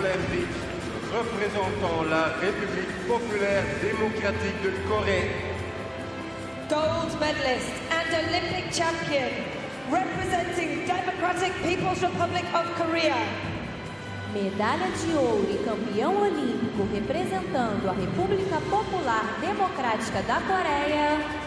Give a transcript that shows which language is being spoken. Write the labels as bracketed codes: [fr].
[fr] Représentant la République populaire démocratique de Corée. [en] Gold medalist and Olympic champion representing Democratic People's Republic of Korea. [pt] Medalha de ouro e campeão olímpico representando a República Popular Democrática da Coreia.